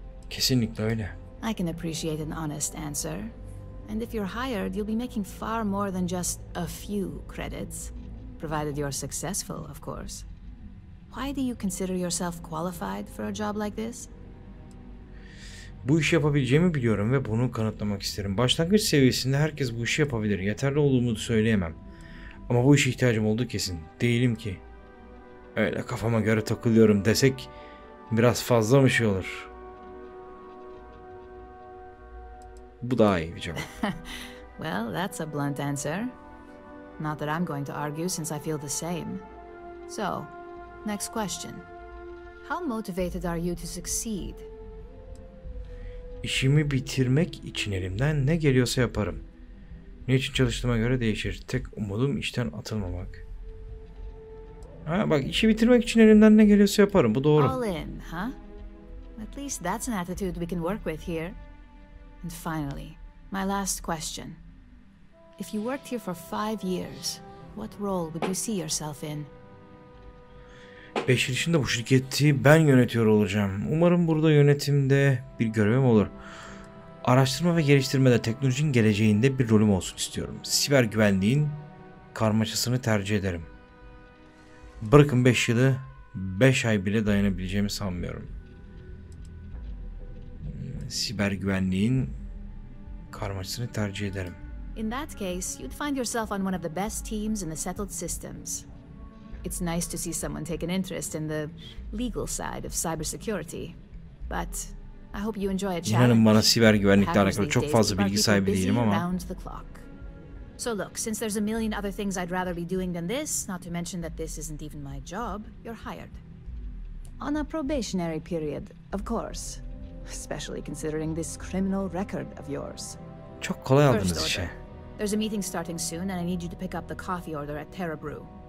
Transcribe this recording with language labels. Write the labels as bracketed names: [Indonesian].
[Turkish] Kesinlikle öyle. [English] I can appreciate an honest answer. And if you're hired, you'll be making far more than just a few credits, provided you're successful, of course. Why do you consider yourself qualified for a job like this? [Turkish] Bu işi yapabileceğimi biliyorum ve bunu kanıtlamak isterim. Başlangıç seviyesinde herkes bu işi yapabilir. Yeterli olduğumu söyleyemem. Ama bu işe ihtiyacım olduğu kesin. Değilim ki. Öyle kafama göre takılıyorum desek biraz fazla mı şey olur? Bu daha iyi bir cevap. [English] Well, that's a blunt answer. Not that I'm going to argue since I feel the same. So, next question. How motivated are you to succeed? [Turkish] İşimi bitirmek için elimden ne geliyorsa yaparım. Ne için çalıştığıma göre değişir. Tek umudum işten atılmamak. Ha bak, işi bitirmek için elimden ne geliyorsa yaparım. Bu doğru. [English] All in, huh? At least that's an attitude we can work with here. And finally, my last question. If you worked here for 5 years, what role would you see yourself in? [Turkish] 5 yıl içinde bu şirketi ben yönetiyor olacağım. Umarım burada yönetimde bir görevim olur. Araştırma ve geliştirmede teknolojinin geleceğinde bir rolüm olsun istiyorum. Siber güvenliğin karmaşasını tercih ederim. Bırakın 5 yılı, 5 ay bile dayanabileceğimi sanmıyorum. Siber güvenliğin karmaşasını tercih ederim. [English] In that case, you'd find yourself on one of the best teams in the settled systems. It's nice to see someone take an interest in the legal side of cybersecurity. But I hope you enjoy a challenge. [Turkish] İnanın bana siber güvenlikle alakalı çok fazla bilgi sahibi değilim ama. [English] So look, since there's a million other things I'd rather be doing than this, not to mention that this isn't even my job, you're hired. On a probationary period, of course. Especially considering this criminal record of yours. [Turkish] Çok kolay aldınız işi. [English] There's a meeting starting soon and I need you to pick up the coffee order at Terra Brew.